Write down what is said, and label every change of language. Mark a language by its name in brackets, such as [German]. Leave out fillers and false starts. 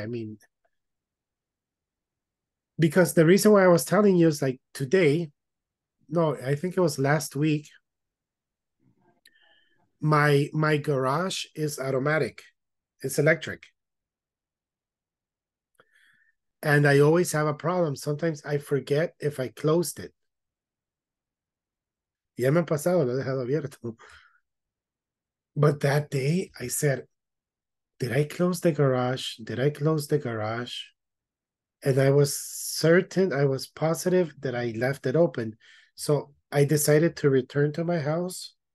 [English] I mean, because the reason why I was telling you is like today, no, I think it was last week. My garage is automatic, it's electric, and I always have a problem. Sometimes I forget if I closed it. [Spanish] Ya me ha pasado, lo he dejado abierto. [English] But that day, I said, did I close the garage? Did I close the garage? And I was certain, I was positive that I left it open. So I decided to return to my house.